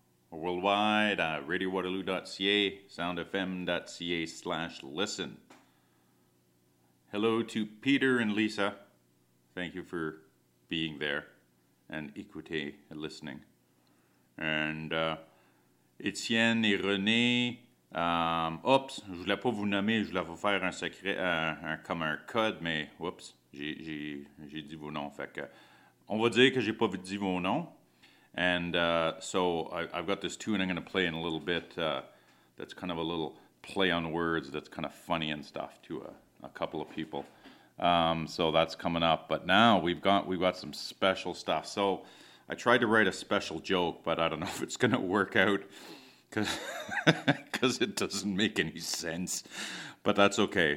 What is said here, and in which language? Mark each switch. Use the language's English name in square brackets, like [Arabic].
[English] Worldwide, radiowaterloo.ca, soundfm.ca/listen. Hello to Peter and Lisa. Thank you for being there and écoutez and listening. And Etienne et René. [French] Oups, je voulais pas vous nommer, je voulais vous faire un secret, comme un code, mais oups, j'ai dit vos noms. Fait que, on va dire que j'ai pas dit vos noms. [English] And so I've got this tune I'm going to play in a little bit that's kind of a little play on words that's kind of funny and stuff to a couple of people. So that's coming up. But now we've got some special stuff. So I tried to write a special joke, but I don't know if it's going to work out because it doesn't make any sense. But that's okay.